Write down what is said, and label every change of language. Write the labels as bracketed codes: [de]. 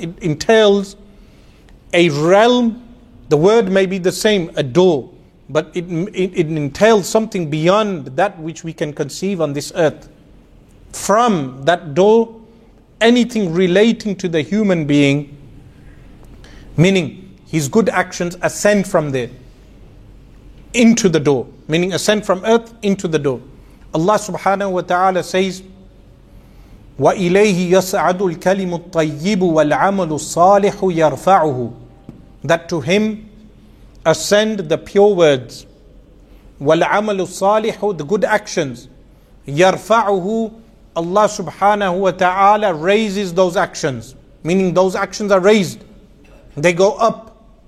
[en] It entails a realm. The word may be the same, a door, but it entails something beyond that which we can conceive on this earth. From that door, anything relating to the human being, meaning his good actions, ascend from there into the door, meaning ascend from earth into the door. [ar] Allah subhanahu wa ta'ala says, وَإِلَيْهِ يَسْعَدُ الْكَلِمُ الطَّيِّبُ وَالْعَمَلُ الصَّالِحُ يَرْفَعُهُ. [en] That to him ascend the pure words, [ar] وَالْعَمَلُ الصَّالِحُ, [en] the good actions, [ar] يَرْفَعُهُ, [en] Allah subhanahu wa ta'ala raises those actions, meaning those actions are raised, they go up.